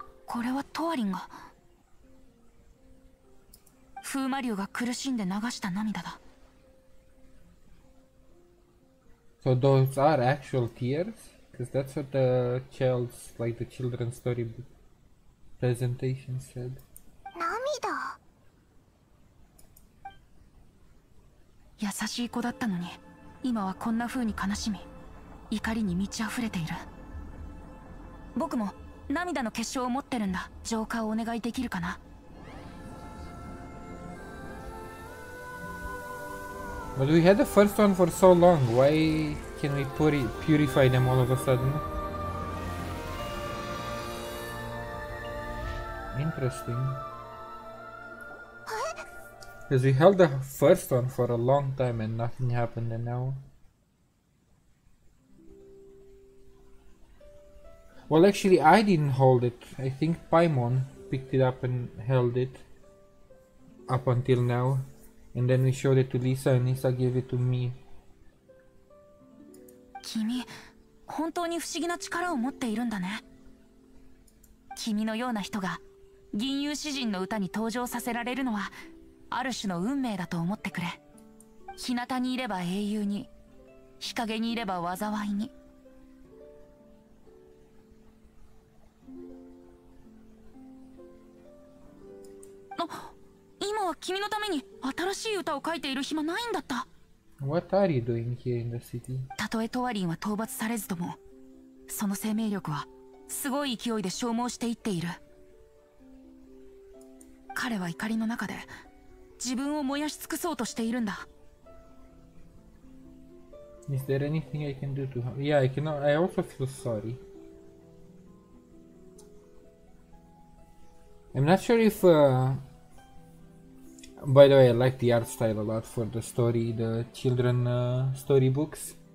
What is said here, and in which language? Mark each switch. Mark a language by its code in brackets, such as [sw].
[ja] これはトワリンが風魔竜が苦しんで流した涙だ。 [en] So those are actual tears? Because that's what the child's, like the children's story presentation said. [ja] 涙。優しい子だったのに、今はこんな風に悲しみ、怒りに満ち溢れている。僕も涙の結晶を持ってるんだ。浄化をお願いできるかな。 [en] But we had the first one for so long. Why can we purify them all of a sudden? Interesting. Because we held the first one for a long time and nothing happened, and now. Well, actually, I didn't hold it. I think Paimon picked it up and held it up until now. And then we showed it to Lisa, and Lisa gave it to me. [ja] Kimi, 本当に不思議な力を持っているんだね。君のような人が銀遊詩人の歌に登場させられるのはある種の運命だと思ってくれ。日向にいれば英雄に、日陰にいれば災いに。今は君のために新しい歌を書いている暇ないんだった。 [en] What are you doing here in the city? [ja] たとえトワリンは討伐されずとも、その生命力はすごい勢いで消耗していっている。彼は怒りの中で自分を燃やし尽くそうとしているんだ。 [en] Is there anything I can do to help? Yeah, I cannot. I also feel sorry. I'm not sure if, by the way, I like the art style a lot for the story, the children, storybooks.